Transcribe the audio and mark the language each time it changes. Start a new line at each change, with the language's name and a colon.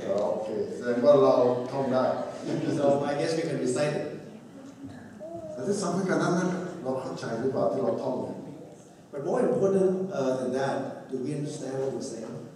English: Okay, so
Thai: เราท่องได้
English: So I guess we can recite it
Thai: แต่ที่สำคัญกว่านั้นเราเข้าใจหรือเปล่าที่เราท่อง
English: But more important than that, do we understand what we're saying?